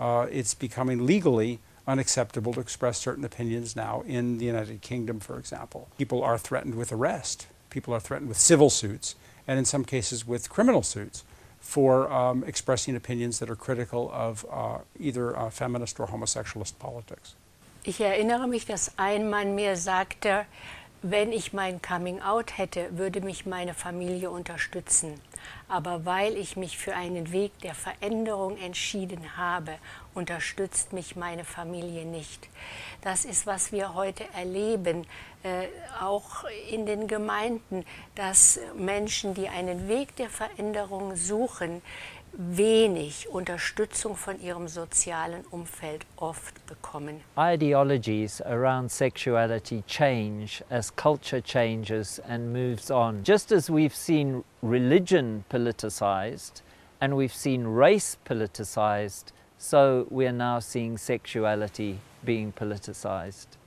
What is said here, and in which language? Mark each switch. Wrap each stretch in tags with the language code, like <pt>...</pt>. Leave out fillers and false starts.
<en>It's becoming legally unacceptable to express certain opinions now in the United Kingdom, for example. People are threatened with arrest. People are threatened with civil suits, and in some cases with criminal suits, for expressing opinions that are critical of either feminist or homosexualist politics.</en> <de>Ich erinnere mich, dass ein Mann mir sagte, wenn ich mein Coming-out hätte, würde mich meine Familie unterstützen. Aber weil ich mich für einen Weg der Veränderung entschieden habe, unterstützt mich meine Familie nicht. Das ist, was wir heute erleben, auch in den Gemeinden, dass Menschen, die einen Weg der Veränderung suchen, wenig Unterstützung von ihrem sozialen Umfeld oft bekommen.</de> <en>Ideologies around sexuality change as culture changes and moves on. Just as we've seen religion politicized and we've seen race politicized, so we are now seeing sexuality being politicized.</en>